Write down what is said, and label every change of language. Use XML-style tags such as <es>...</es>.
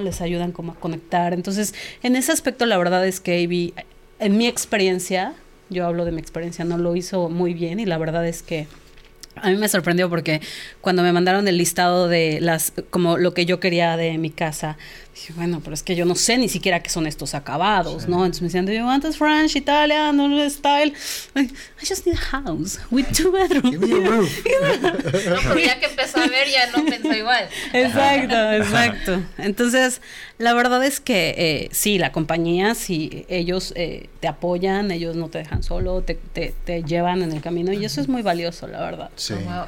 <es>Les ayudan como a conectar. Entonces, en ese aspecto, la verdad es que AB, en mi experiencia, yo hablo de mi experiencia, no lo hizo muy bien, y la verdad es que a mí me sorprendió porque cuando me mandaron el listado de las, como lo que yo quería de mi casa, dije, bueno, pero es que yo no sé ni siquiera qué son estos acabados, sí, ¿no? Entonces me decían,</es> <en>do you want this French, Italian, style? I just need a house with two bedrooms. Give me a roof.</en> <es>No, pero ya que empezó a ver, ya no pensó igual. Exacto, exacto. Entonces, la verdad es que sí, la compañía, sí, ellos te apoyan, ellos no te dejan solo, te llevan en el camino, y eso es muy valioso, la verdad. Sí.</es> <en>Oh, wow.</en>